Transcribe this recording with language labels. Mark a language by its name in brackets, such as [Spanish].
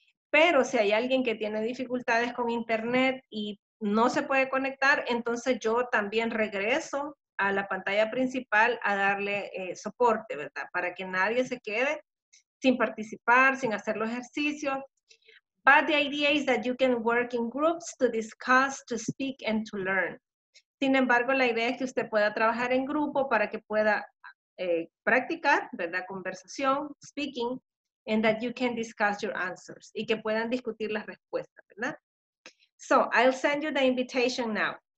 [Spanish] Pero si hay alguien que tiene dificultades con internet y no se puede conectar, entonces yo también regreso a la pantalla principal a darle soporte, ¿verdad? Para que nadie se quede sin participar, sin hacer los ejercicios. [English] But the idea is that you can work in groups to discuss, to speak, and to learn. [Spanish] Sin embargo, la idea es que usted pueda trabajar en grupo para que pueda practicar, ¿verdad? [English] Conversación, speaking, and that you can discuss your answers, [Spanish] y que puedan discutir las respuestas, ¿verdad? [English] So, I'll send you the invitation now.